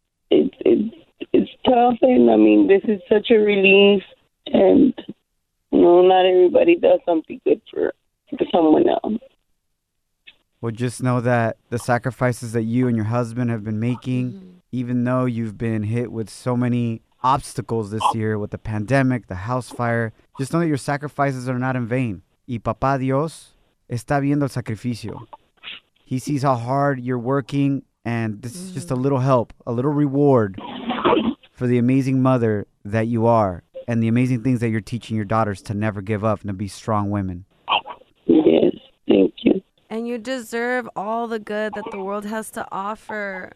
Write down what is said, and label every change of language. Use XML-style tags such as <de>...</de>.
<en>It's tough, and I mean, this is such a relief, and you know, not everybody does something good for someone else. Well, just know that the sacrifices that you and your husband have been making, even though you've been hit with so many obstacles this year with the pandemic, the house fire, just know that your sacrifices are not in vain.</en> <es>Y papá Dios está viendo el sacrificio.</es> <en>He sees how hard you're working, and this is just a little help, a little reward for the amazing mother that you are and the amazing things that you're teaching your daughters to never give up and to be strong women. Yes, thank you. And you deserve all the good that the world has to offer.</en>